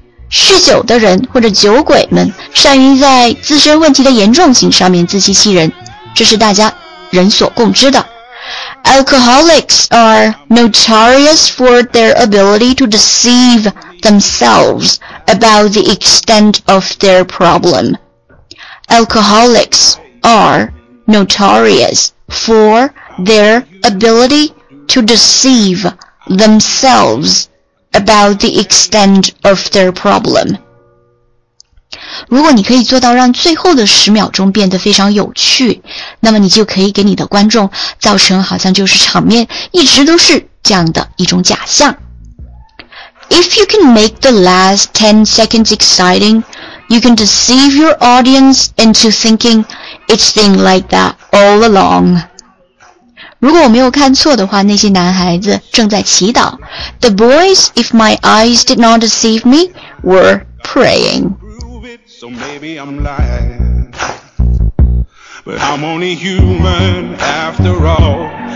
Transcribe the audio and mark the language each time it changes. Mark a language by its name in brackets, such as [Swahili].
[Chinese] 酗酒的人或者酒鬼们善于在自身问题的严重性上面自欺欺人，这是大家人所共知的。 [English] Alcoholics are notorious for their ability to deceive themselves about the extent of their problem. Alcoholics are notorious for their ability to deceive themselves about the extent of their problem. [Chinese] 如果你可以做到让最后的十秒钟变得非常有趣，那么你就可以给你的观众造成好像就是场面一直都是这样的一种假象。 [English] If you can make the last 10 seconds exciting, you can deceive your audience into thinking it's been like that all along. [Chinese] 如果我没有看错的话，那些男孩子正在祈祷。 [English] The boys, if my eyes did not deceive me, were praying. So maybe I'm lying, but I'm only human after all.